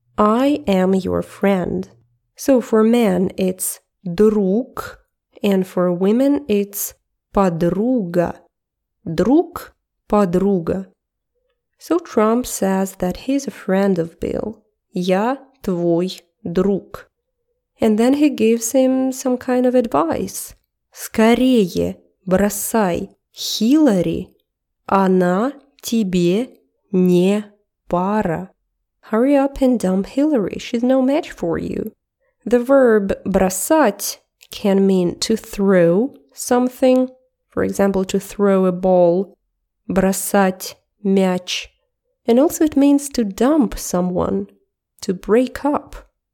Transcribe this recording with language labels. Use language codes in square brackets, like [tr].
[en] I am your friend. So for men it's друг, and for women it's подруга. [ru] Друг. Подруга. [en] So Trump says that he's a friend of Bill. [ru] Я твой друг. [en] And then he gives him some kind of advice. [ru] Скорее бросай Хиллари, она тебе не пара. [en] Hurry up and dump Hillary, she's no match for you. The verb бросать can mean to throw something, for example, to throw a ball. [ru] Бросать мяч. [en] And also it means to dump someone, to break up.